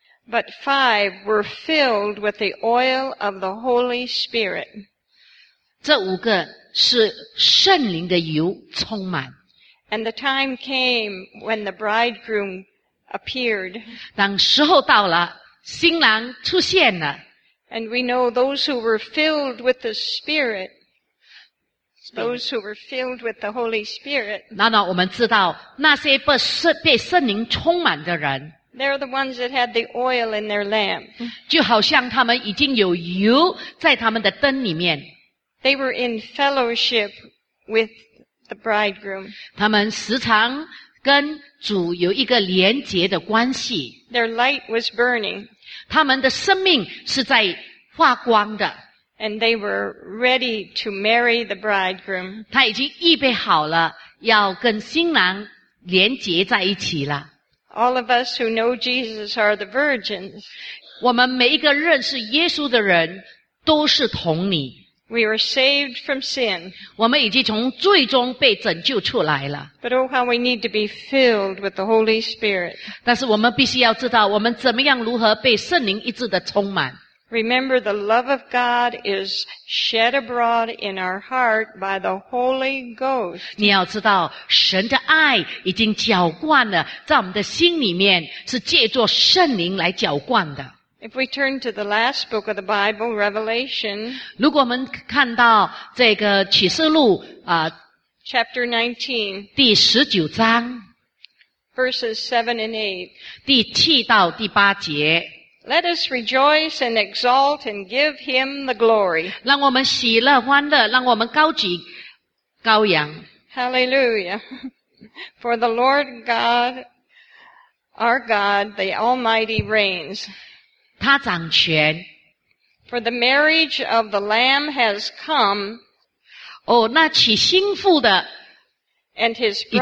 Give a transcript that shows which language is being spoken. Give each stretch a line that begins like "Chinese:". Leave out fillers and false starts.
English: But five were filled with the oil of the Holy Spirit.
Chinese: 这五个是圣灵的油充满。
English: And the time came when the bridegroom appeared.
Chinese: 当时候到了，新郎出现了。
English: And we know those who were filled with the Spirit, those who were filled with the Holy Spirit.
Chinese: 那我们知道那些被圣灵充满的人。
English: They're the ones that had the oil in their lamp.
Chinese: 就好像他们已经有油在他们的灯里面。
English: They were in fellowship with the bridegroom.
Chinese: 他们时常跟主有一个连结的关系。
English: Their light was burning.
Chinese: 他们的生命是在发光的。
English: And they were ready to marry the bridegroom.
Chinese: 他已经预备好了要跟新郎连结在一起了。
English: All of us who know Jesus are the virgins.
Chinese: 我们每一个认识耶稣的人都是童女。
English: We are saved from sin.
Chinese: 我们已经从罪中被拯救出来了。
English: But oh, how we need to be filled with the Holy Spirit.
Chinese: 但是我们必须要知道我们怎么样如何被圣灵一致的充满。
English: Remember, the love of God is shed abroad in our heart by the Holy Ghost.
Chinese: 你要知道，神的爱已经浇灌了，在我们的心里面是借着圣灵来浇灌的。
English: If we turn to the last book of the Bible, Revelation,
Chinese: 如果我们看到这个启示录
English: Chapter 19,
Chinese: 第十九章
English: Verses 7 and 8,
Chinese: 第七到第八节。
English: Let us rejoice and exalt and give him the glory.
Chinese: 让我们喜乐欢乐，让我们高举羔羊。
English: Hallelujah. For the Lord God, our God, the Almighty reigns.
Chinese: 他掌权。
English: For the marriage of the Lamb has come.
Chinese: 哦，那娶新妇的。
English: And his bride,